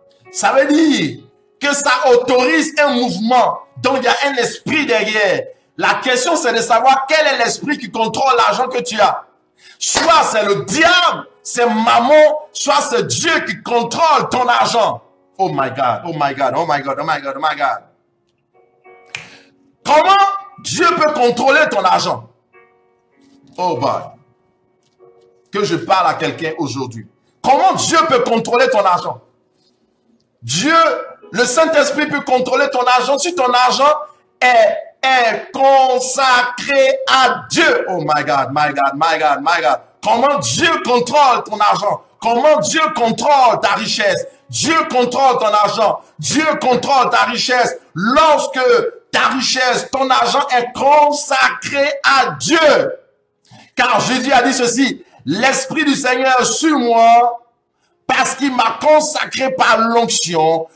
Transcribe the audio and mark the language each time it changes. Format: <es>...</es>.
<fr>Ça veut dire que ça autorise un mouvement. Donc, il y a un esprit derrière. La question, c'est de savoir quel est l'esprit qui contrôle l'argent que tu as. Soit c'est le diable, c'est Mammon, soit c'est Dieu qui contrôle ton argent.</fr> <en>Oh my God, oh my God, oh my God, oh my God, oh my God.</en> <fr>Comment Dieu peut contrôler ton argent?</fr> <en>Oh boy.</en> <fr>Que je parle à quelqu'un aujourd'hui. Comment Dieu peut contrôler ton argent? Dieu, le Saint-Esprit peut contrôler ton argent si ton argent est consacré à Dieu.</fr> <en>Oh my God, my God, my God, my God.</en> <fr>Comment Dieu contrôle ton argent? Comment Dieu contrôle ta richesse? Dieu contrôle ton argent. Dieu contrôle ta richesse. Lorsque ta richesse, ton argent est consacré à Dieu. Car Jésus a dit ceci, l'Esprit du Seigneur sur moi, parce qu'il m'a consacré par l'onction.</fr>